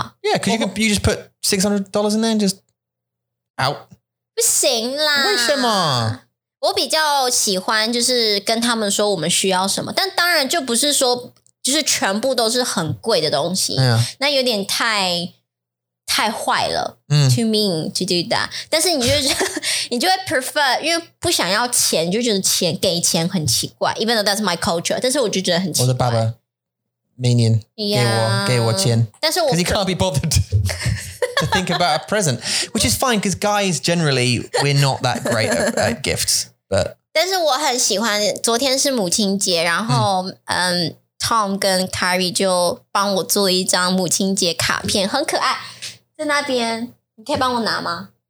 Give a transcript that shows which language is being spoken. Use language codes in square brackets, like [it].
[en] Yeah, because you just put $600 in there and just out. [zh] 不行啦! 为什么? 我比较喜欢就是跟他们说我们需要什么, 但当然就不是说... 就是全部都是很贵的东西 [en] yeah. [zh] 那有点太坏了 [en] Too mean to do that [zh] 但是你就是 你就会prefer 因为不想要钱 就觉得钱 给钱很奇怪 [en] Even though that's my culture [zh] 但是我就觉得很奇怪我的爸爸 [en] Minion yeah. [zh] 给我钱但是我 [en] Because he can't be bothered to think about a present Which is fine Because guys generally We're not that great at gifts But [zh] 但是我很喜欢 昨天是母亲节 然后 Tom跟Carrie就帮我做一张母亲节卡片 很可爱 在那边 你可以帮我拿吗?